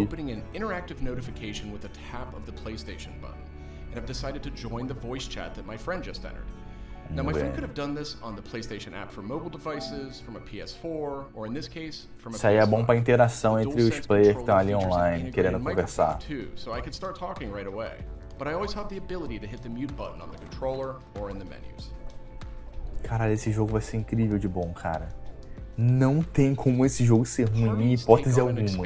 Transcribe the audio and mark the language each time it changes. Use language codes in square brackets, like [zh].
[en] Here, I'm opening an interactive notification with a tap of the PlayStation button, and I've decided to join the voice chat that my friend just entered. Now, my friend could have done this on the PlayStation app for mobile devices, from a PS4, or in this case, from a PS5. [pt] Isso aí é bom pra interação entre os players que estão ali online, querendo conversar. [en] So I could start talking right away. But I always have the ability to hit the mute button on the controller or in the menus. [pt] Caralho, esse jogo vai ser incrível de bom, cara. Não tem como esse jogo ser ruim, em hipótese alguma.